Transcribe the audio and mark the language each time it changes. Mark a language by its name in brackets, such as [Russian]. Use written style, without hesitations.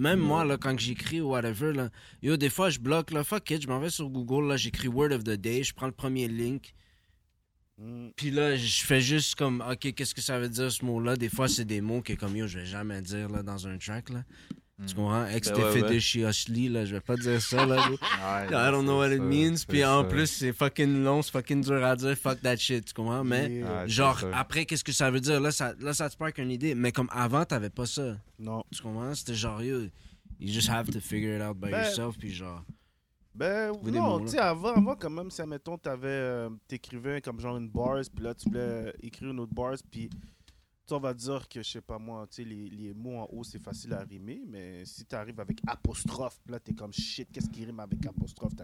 [French] Même moi, là, quand j'écris ou whatever, là, yo, des fois, je bloque, là, fuck it, je m'en vais sur Google, là, j'écris [English] Word of the Day, [French] je prends le premier link. Puis là, je fais juste comme, OK, qu'est-ce que ça veut dire ce mot-là? Des fois, c'est des mots que, comme, yo, je vais jamais dire là, dans un track. Là. Tu comprends? Ex-te-fait-de-chi-os-li, là, je vais pas dire ça. [English] Là, I don't know what it means. [French] Puis en plus, c'est fucking long, c'est fucking dur à dire. [English] Fuck that shit, [French] tu comprends? Mais genre, après, qu'est-ce que ça veut dire? Là, ça te spark une idée. Mais comme avant, t'avais pas ça. Non. Tu comprends? C'était genre, [English] yo, you just have to figure it out by yourself. [French] Puis genre... Ben, vous non, tu sais, avant, quand même, si, admettons, t'avais, t'écrivais comme genre une bars, puis là, tu voulais écrire une autre bars, puis, tu on va dire que, je sais pas moi, tu sais, les mots en haut, c'est facile à rimer, mais si t'arrives avec apostrophe, puis là, t'es comme, shit, qu'est-ce qui rime avec apostrophe?